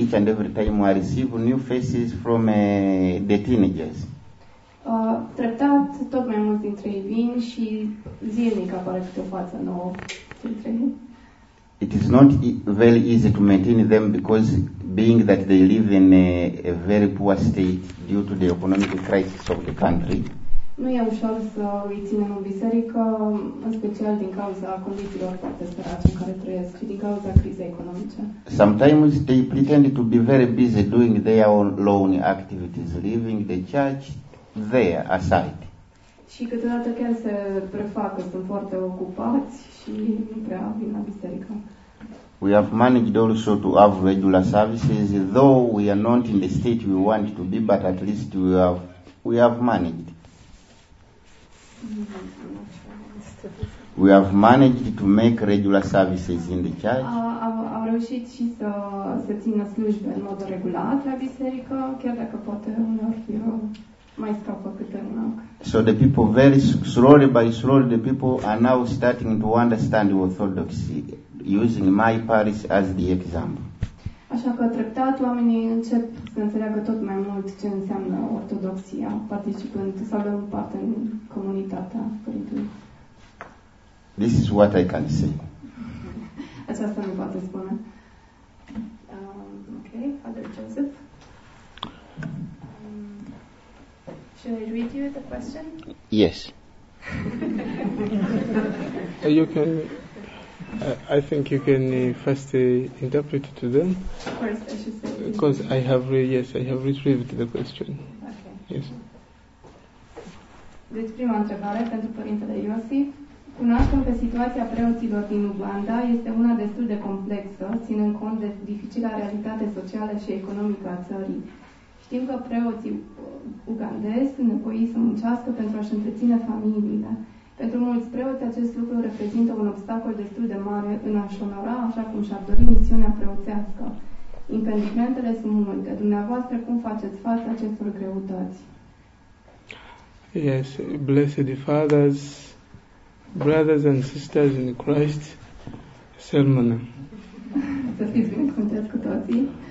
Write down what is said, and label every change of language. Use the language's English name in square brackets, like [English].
[English] Each and every time I receive new faces from the teenagers. [Romanian] Treptat, tot mai mulți dintre ei vin și zilnic apare câte o față nouă dintre ei. [English] It is not very easy to maintain them because being that they live in a very poor state due to the economic crisis of the country. [Romanian] Nu e ușor să îi ținem în biserică, în special din cauza condițiilor foarte sărace în care trăiesc și din cauza crizei economice. [English] Sometimes they pretend to be very busy doing their own lone activities, leaving the church there aside. [Romanian] Și câteodată chiar se prefac că sunt foarte ocupați și nu prea vin la biserică. [English] We have managed also to have regular services, though we are not in the state we want to be, but at least we have managed. We have managed to make regular services in the church. [Romanian] Au reușit și să țină slujbe în mod regulat la biserică, chiar dacă poate uneori mai scapă câte un loc. [English] So the people very slowly by slowly the people are now starting to understand Orthodoxy using my parish as the example. [Romanian] Așa că treptat oamenii încep să înțeleagă tot mai mult ce înseamnă ortodoxia, participând sau luând parte în comunitatea părintelui. [English] This is what I can say. [Romanian] Aceasta nu poate spune. [English] Okay, Father Joseph. Should I read you the question? Yes. You can. I think you can first interpret it to them. Of course, I should say. Because I have I have retrieved the question. Okay. Yes. [Romanian] Deci prima întrebare pentru părintele Iosif. Cunoaștem că situația preoților din Uganda este una destul de complexă, ținând cont de dificila realitate socială și economică a țării. Știm că preoții ugandezi sunt nevoiți să muncească pentru a-și întreține familiile. Pentru mulți preoți, acest lucru reprezintă un obstacol destul de mare în a-și onora, așa cum și-ar dori misiunea preoțească. Impedimentele sunt multe. Dumneavoastră, cum faceți față acestor greutăți? [English] Yes, blessed fathers, brothers and sisters in Christ, sermon. [Romanian] Să fiți binecuvântați cu toții.